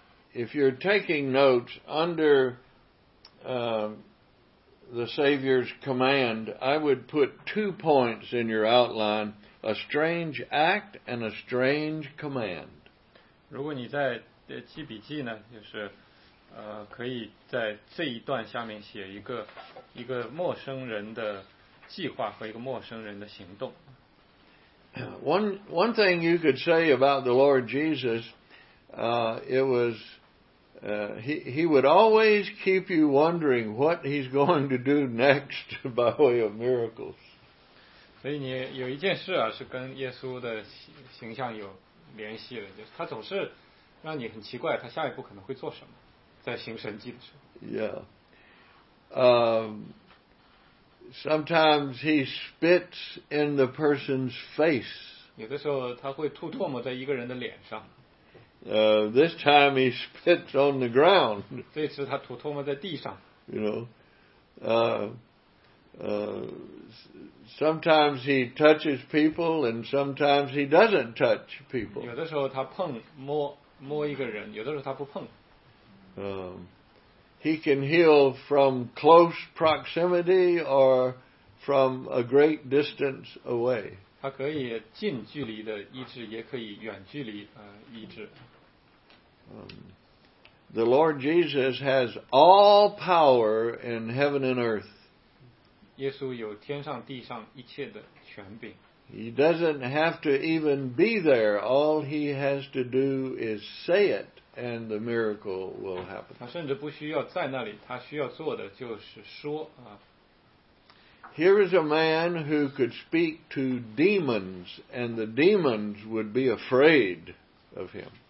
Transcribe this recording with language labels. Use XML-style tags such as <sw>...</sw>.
<en>If you're taking notes under the Savior's command, I would put 2 points in your outline. A strange act and a strange command.</en> <zh>如果你在记笔记呢，就是可以在这一段下面写一个陌生人的计划和一个陌生人的行动。</zh> <en>One thing you could say about the Lord Jesus, it was he would always keep you wondering what he's going to do next by way of miracles.</en> <zh>所以你有一件事啊，是跟耶稣的形象有联系的，就是他总是让你很奇怪，他下一步可能会做什么，在行神迹的时候。</zh> <en>Sometimes he spits in the person's face.</en> <zh>有的时候他会吐唾沫在一个人的脸上。</zh> <en>This time he spits on the ground.</en> <zh>这次他吐唾沫在地上。</zh> <en>You know, sometimes he touches people and sometimes he doesn't touch people.</en> <zh>有的时候他碰摸一个人，有的时候他不碰。</zh> <en>He can heal from close proximity or from a great distance away.</en> <zh>他可以近距离的医治，也可以远距离医治。</zh> <en>The Lord Jesus has all power in heaven and earth.</en> <zh>耶稣有天上地上一切的权柄。</zh> <en>He doesn't have to even be there. All he has to do is say it, and the miracle will happen.</en> <zh>他甚至不需要在那里，他需要做的就是说啊。</zh> <en>Here is a man who could speak to demons, and the demons would be afraid of him.</en>